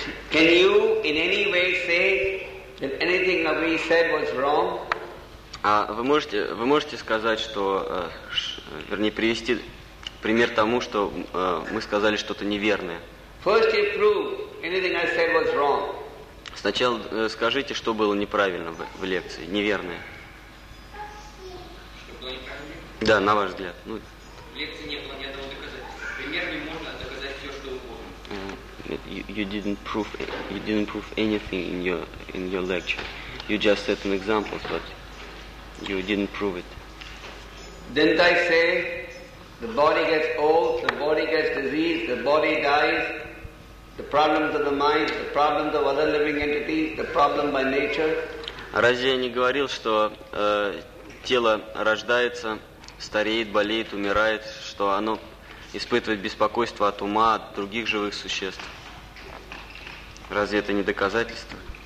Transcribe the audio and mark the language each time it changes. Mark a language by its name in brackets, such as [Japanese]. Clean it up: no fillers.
[English] Can you in any way say that anything that we said was wrong? [Russian] Вы можете сказать, что вернее привести пример тому, что мы сказали что-то неверное. [English] First you prove anything I said was wrong. [Russian] Сначала скажите, что было неправильно в лекции, неверное. Что было неправильно? Да, на ваш взгляд. Ну, в лекции не было ни одного доказательства. Примерно можно доказать все, что угодно. [English] You didn't prove anything in your lecture. You just set an example, but you didn't prove it. Didn't I say the body gets old, the body gets diseased, the body dies, the problems of the mind, the problems of other living entities, the problem by nature? [Russian] Разве я не говорил, что тело рождается, стареет, болеет, умирает, что оно испытывает беспокойство от ума, от других живых существ? Разве это не доказательство?